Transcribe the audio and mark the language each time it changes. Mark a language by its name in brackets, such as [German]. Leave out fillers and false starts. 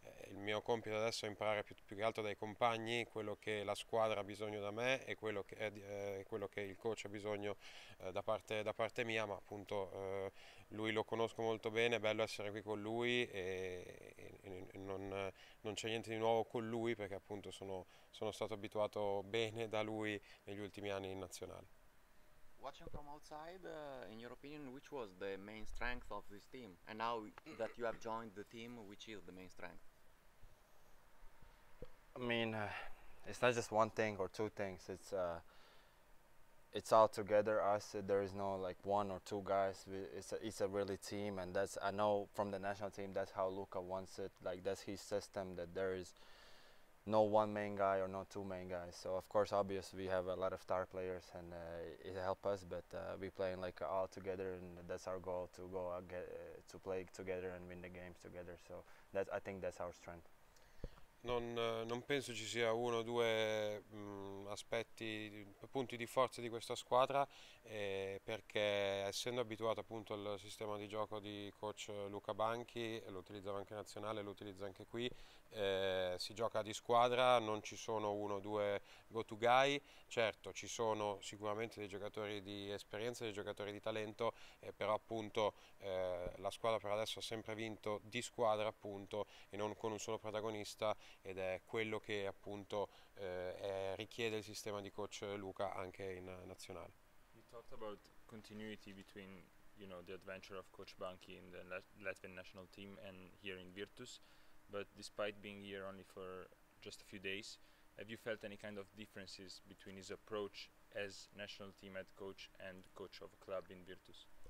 [Italian] Il mio compito adesso è imparare più che altro dai compagni quello che la squadra ha bisogno da me e quello che il coach ha bisogno da parte mia, ma appunto lui lo conosco molto bene, è bello essere qui con lui e non c'è niente di nuovo con lui, perché appunto sono stato abituato bene da lui negli ultimi anni in nazionale. [English] Watching from outside, in your opinion, which was the main strength of this team? And now that you have joined the team, which is the main strength? I mean, it's not just one thing or two things. It's all together. There is no like one or two guys. It's a really team, and that's, I know from the national team, that's how Luka wants it. Like, that's his system, that there is no one main guy or no two main guys. So of course, obviously, we have a lot of star players, and it helps us. But we playing like all together, and that's our goal, to go get to play together and win the games together. So that, I think that's our strength. [Italian] Non penso ci sia uno o due aspetti, punti di forza di questa squadra, perché essendo abituato appunto al sistema di gioco di coach Luca Banchi, lo utilizzava anche nazionale, lo utilizza anche qui, si gioca di squadra, non ci sono uno o due [English] go-to guy. [Italian] Certo, ci sono sicuramente dei giocatori di esperienza, dei giocatori di talento, però appunto la squadra per adesso ha sempre vinto di squadra appunto, e non con un solo protagonista, ed è quello che appunto richiede il sistema di coach Luca anche in nazionale. [English] You talked about continuity between, you know, the adventure of coach Banchi in the Latvian national team and here in Virtus, but despite being here only for just a few days, have you felt any kind of differences between his approach as national team head coach and coach of a club in Virtus?